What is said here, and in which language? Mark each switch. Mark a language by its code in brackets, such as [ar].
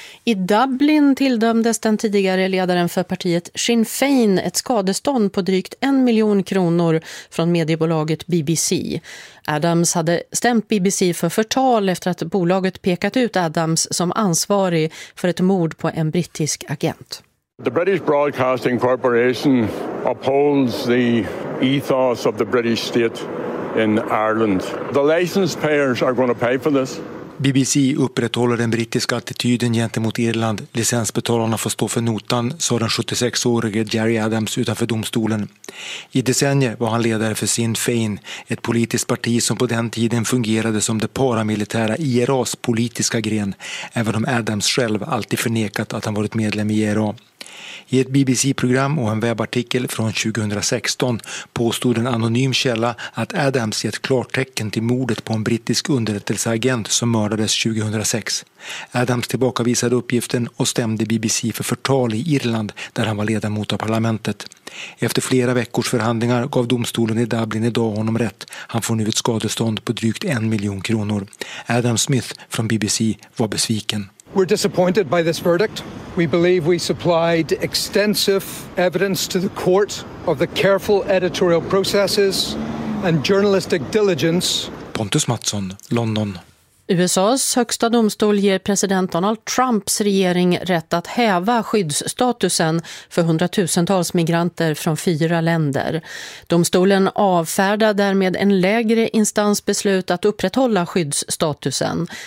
[sv] I Dublin tilldömdes den tidigare ledaren för partiet Sinn Féin ett skadestånd på drygt 1 miljon kronor från mediebolaget BBC. Adams hade stämt BBC för förtal efter att bolaget pekat ut Adams som ansvarig för ett mord på en brittisk agent. [en] The British Broadcasting Corporation upholds the ethos of the British state in Ireland. The licensed payers are going to pay for this. [sv] BBC upprätthåller den brittiska attityden gentemot Irland. Licensbetalarna får stå för notan, sa den 76-årige Gerry Adams utanför domstolen. I decennier var han ledare för Sinn Féin, ett politiskt parti som på den tiden fungerade som det paramilitära IRAs politiska gren, även om Adams själv alltid förnekat att han varit medlem i IRA. I ett BBC-program och en webbartikel från 2016 påstod en anonym källa att Adams gett klartecken till mordet på en brittisk underrättelseagent som mördades 2006. Adams tillbakavisade uppgiften och stämde BBC för förtal i Irland där han var ledamot av parlamentet. Efter flera veckors förhandlingar gav domstolen i Dublin idag honom rätt. Han får nu ett skadestånd på drygt 1 miljon kronor. Adam Smith från BBC var besviken. [en] We're disappointed by this verdict. We believe we supplied extensive evidence to the court of the careful editorial processes and journalistic diligence. [sv] Pontus Mattsson, London. USAs högsta domstol ger president Donald Trumps regering rätt att häva skyddsstatusen för hundratusentals migranter från 4 länder. Domstolen avfärdar därmed en lägre instansbeslut att upprätthålla skyddsstatusen.